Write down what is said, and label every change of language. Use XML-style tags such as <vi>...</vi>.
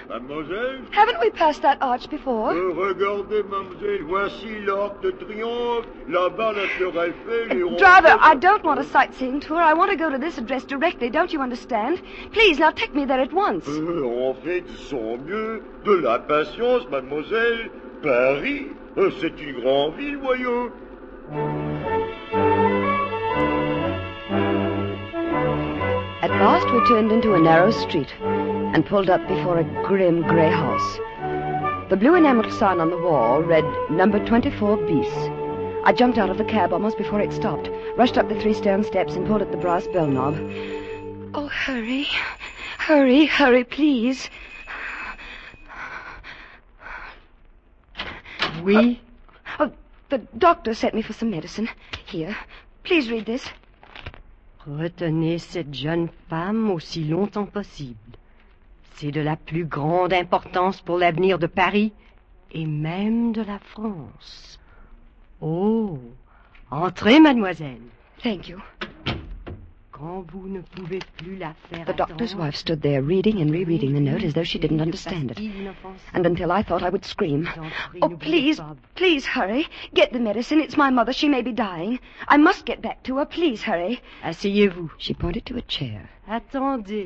<fr>Mademoiselle?</fr> <en>Haven't we passed that arch before?</en> <fr>Regardez, mademoiselle, voici l'arc de triomphe. Là-bas, la Tour Eiffel.</fr> <en>Driver, I don't want a sightseeing tour. I want to go to this address directly, don't you understand? Please, now take me there at once.</en> <fr>En fait, sans mieux. De la patience, mademoiselle. Paris, c'est une grande ville, voyons.</fr> <en>At last, we turned into a narrow street and pulled up before a grim gray house. The blue enameled sign on the wall read, Number 24 Bis. I jumped out of the cab almost before it stopped, rushed up the 3 stone steps and pulled at the brass bell knob. Oh, hurry. Hurry, hurry, please.</en> <fr>Oui?</fr> <en>Oh, the doctor sent me for some medicine. Here, please read this.</en> <fr>Retenez cette jeune femme aussi longtemps possible. C'est de la plus grande importance pour l'avenir de Paris et même de la France. Oh, entrez, mademoiselle.</fr> <en>Thank you.</en> <fr>Quand vous ne pouvez plus la faire.</fr> <en>The doctor's wife stood there reading and rereading the note as though she didn't understand it. And until I thought I would scream. Oh, please, please hurry. Get the medicine. It's my mother. She may be dying. I must get back to her. Please hurry.</en> <fr>Asseyez-vous.</fr> <en>She pointed to a chair.</en> <fr>Attendez.</fr>